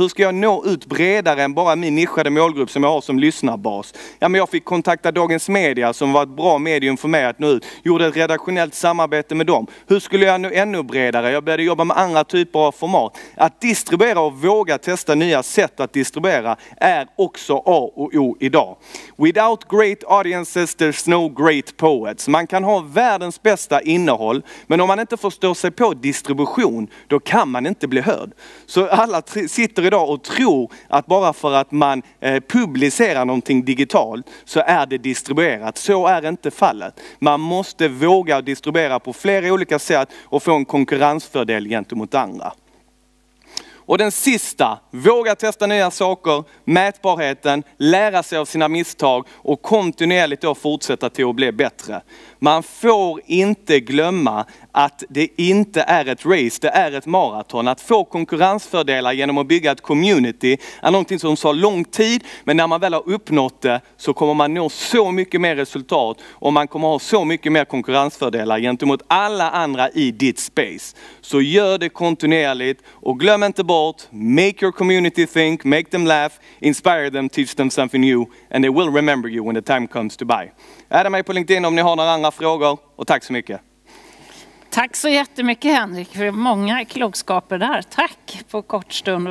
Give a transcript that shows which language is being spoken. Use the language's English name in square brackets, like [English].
[Swedish] Hur ska jag nå ut bredare än bara min nischade målgrupp som jag har som lyssnarbas? Ja, men jag fick kontakta Dagens Media som var ett bra medium för mig att nå ut. Gjorde ett redaktionellt samarbete med dem. Hur skulle jag nå ännu bredare? Jag började jobba med andra typer av format. Att distribuera och våga testa nya sätt att distribuera är också A och O idag. [English] Without great audiences, there's no great poets. [Swedish] Man kan ha världens bästa innehåll, men om man inte förstår sig på distribution, då kan man inte bli hörd. Så alla sitter idag och tror att bara för att man publicerar någonting digitalt så är det distribuerat. Så är inte fallet. Man måste våga distribuera på flera olika sätt och få en konkurrensfördel gentemot andra. Och den sista, våga testa nya saker, mätbarheten, lära sig av sina misstag och kontinuerligt då fortsätta till att bli bättre. Man får inte glömma att det inte är ett race, det är ett maraton. Att få konkurrensfördelar genom att bygga ett community är någonting som tar lång tid. Men när man väl har uppnått det så kommer man nå så mycket mer resultat. Och man kommer ha så mycket mer konkurrensfördelar gentemot alla andra i ditt space. Så gör det kontinuerligt och glöm inte bort. [English] Make your community think, make them laugh, inspire them, teach them something new. And they will remember you when the time comes to buy. [Swedish] Adda mig på LinkedIn om ni har några andra frågor. Och tack så mycket. Tack så jättemycket, Henrik, för många klokskaper där. Tack på kort stund.